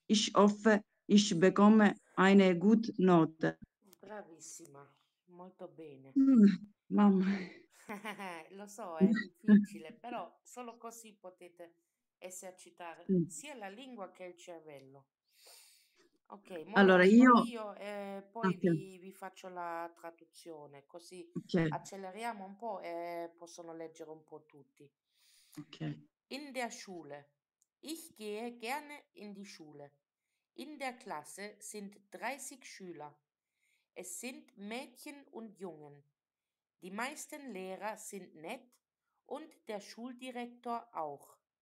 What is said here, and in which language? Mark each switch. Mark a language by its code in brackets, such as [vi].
[de] Ich hoffe, ich bekomme eine gute Note. [it] Bravissima, molto bene. Mamma. Lo so, è difficile, però solo così potete esercitare sia la lingua che il cervello. Ok, allora io poi okay. Vi faccio la traduzione, così okay. Acceleriamo un po' e possono leggere un po' tutti. Okay. [de] In der Schule. Ich gehe gerne in die Schule. In der Klasse sind 30 Schüler. Es sind Mädchen und Jungen. Die meisten Lehrer sind nett und der Schuldirektor auch.